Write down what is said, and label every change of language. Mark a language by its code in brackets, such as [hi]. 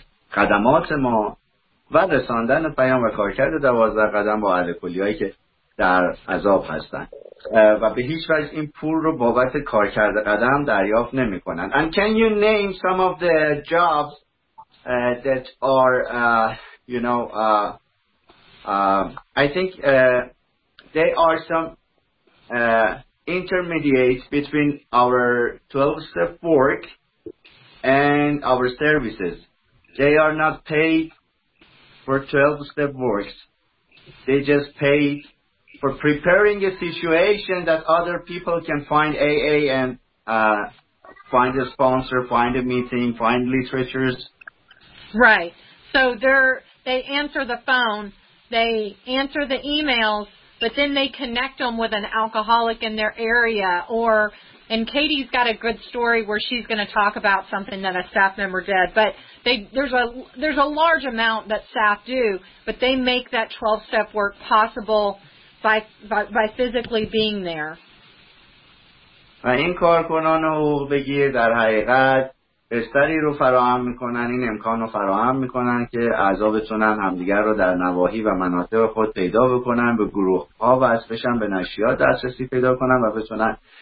[fa] خدمات ما و رساندن پیام و کارکرد 12 قدم با الکلی‌هایی که در عذاب هستن و به هیچ وجه این پول رو بابت کارکرد قدم دریافت نمی کنن. [en] And can you name some of the jobs that are you know I think they are some intermediates between our 12-step work and our services. They are not paid for 12-step works. They just paid for preparing a situation that other people can find AA and find a sponsor, find a meeting, find literatures. Right. So they answer the phone, they answer the emails, but then they connect them with an alcoholic in their area. Or, and Katie's got a good story where she's going to talk about something that a staff member did. But there's a large amount that staff do, but they make that 12-step work possible by physically being there. [fa] این کارکنان رو بگیر در حقیقت بستری رو فراهم میکنن، این امکان رو فراهم میکنن که اعضا بتونن همدیگر رو در نواحی و مناطق خود پیدا بکنن، به گروه ها وصل بشن، به نشریات دسترسی پیدا کنن و بتونن